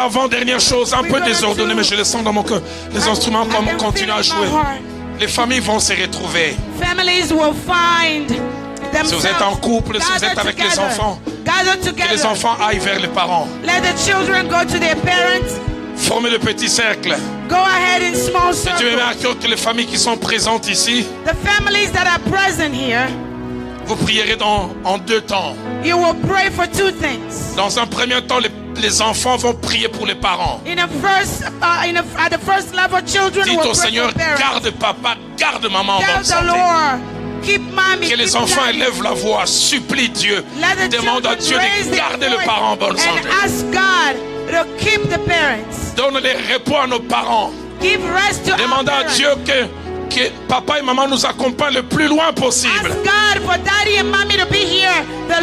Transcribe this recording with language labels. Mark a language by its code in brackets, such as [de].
[fr] Dernière chose, un peu désordonnée, mais je le sens dans mon cœur. Les instruments vont continuer à jouer. Les familles vont se retrouver. [en] Families will find themselves. [fr] Si vous êtes en couple, si vous êtes avec les enfants, que les enfants aillent vers les parents. [en] Let the children go to their parents. [fr] Formez le petit cercle. [en] Go ahead in small circles. [fr] Dieu met à cœur que les familles qui sont présentes ici, [en] the families that are present here, [fr] vous prierez en deux temps. [en] You will pray for two things. [fr] Dans un premier temps, les enfants vont prier pour les parents. Dites au Seigneur, garde papa, garde maman en bonne santé. Que les enfants élèvent la voix, supplient Dieu, demande à Dieu de garder le parent en bonne santé. [en] Ask God to keep the parents. [fr] Donne les repos à nos parents. [en] Give rest to [fr] demande [en] our [fr] à Dieu que papa et maman nous accompagnent le plus loin possible. [en] Ask God for daddy and mommy to be here the